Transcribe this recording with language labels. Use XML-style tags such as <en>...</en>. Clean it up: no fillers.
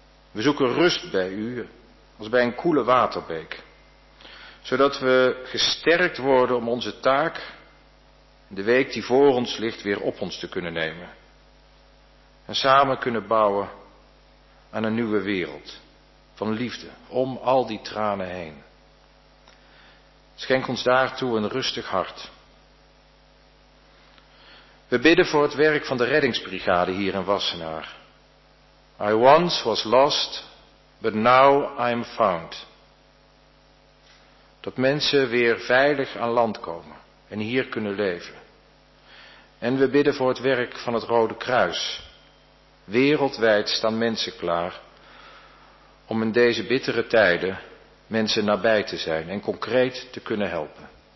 <nl>We zoeken rust bij u als bij een koele waterbeek, zodat we gesterkt worden om onze taak, de week die voor ons ligt, weer op ons te kunnen nemen en samen kunnen bouwen aan een nieuwe wereld van liefde om al die tranen heen. Schenk ons daartoe een rustig hart. We bidden voor het werk van de reddingsbrigade hier in Wassenaar.</nl> <en>I once was lost, but now I am found.</en> <nl>Dat mensen weer veilig aan land komen en hier kunnen leven. En we bidden voor het werk van het Rode Kruis. Wereldwijd staan mensen klaar om in deze bittere tijden mensen nabij te zijn en concreet te kunnen helpen.</nl>